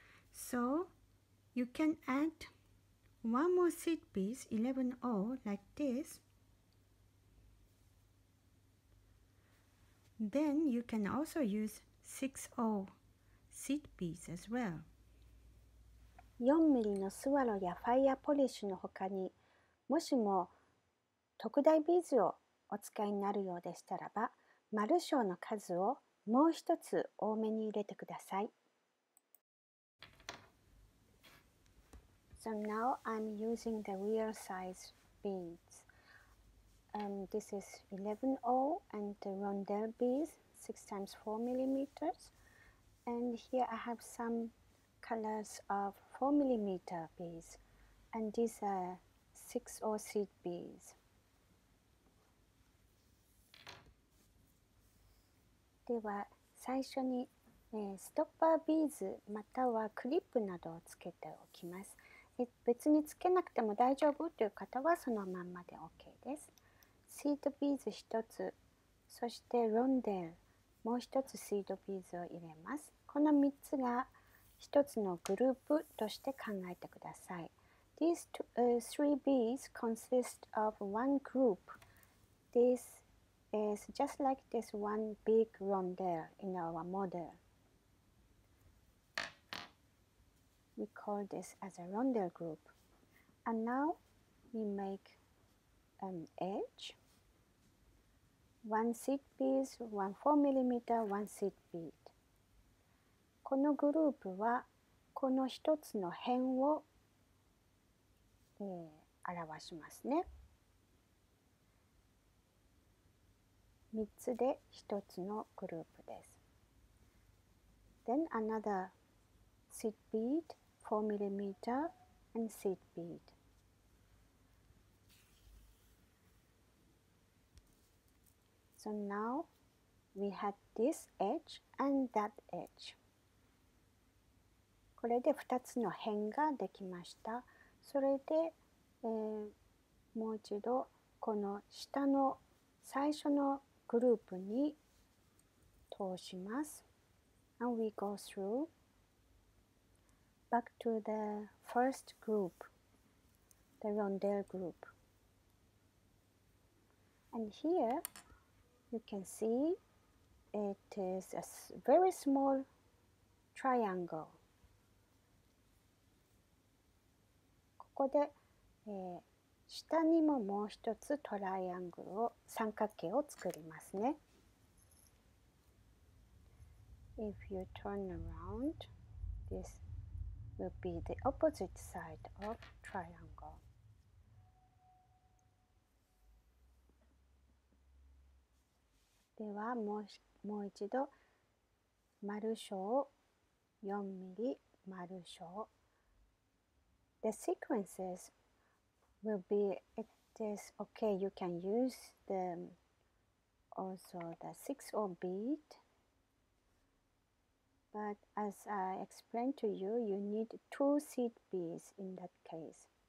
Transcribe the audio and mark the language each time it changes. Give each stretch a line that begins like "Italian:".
English: So you can add one more seed bead, 11-0, like this. Then you can also use 6-0 seed beads as well.
Japanese: 4mm のスワロやファイヤーポリッシュの他に、もしも特大ビーズをお使いになるようでしたらば、丸小の数をもう一つ多めに入れてください。
English: So now I'm using the real size beads. This is 11-0 and the rondelle beads, 6 times 4mm. And here I have some colors of 4mm beads, and these are 6-0 seed beads.
Japanese: では最初に、ストッパービーズまたはクリップなどをつけておきます。別につけなくても大丈夫という方はそのまんまで OK です。シードビーズ1つ、そしてロンデル、もう1つシードビーズを入れます。この3つが1つのグループとして考えてください。
English: These two, three beads consist of one group. This is just like this one big rondelle in our model. We call this as a rondelle group. And now we make an edge. One seed bead, one 4mm, one seed bead.
Japanese: このグループはこの一つの辺を、表しますね。 3つで1つのグループです。
English: Then another seed bead, 4mm and seed bead. So now we had this edge and that edge.
Japanese: これで2つの辺ができました。それで、もう一度この下の最初のグループに通します。
English: and we go through back to the first group, the Rondelle group. And here you can see it is a very small triangle.
Japanese: ここで、下にももう一つトライアングルを三角形を作りますね。
English: If you turn around, this will be the opposite side of triangle.
Japanese: ではもう一度丸小4ミリ丸小。
English: The sequences will be, it is okay, you can use the also the 6-0 bead. But as I explained to you, you need 2 seed beads in that case.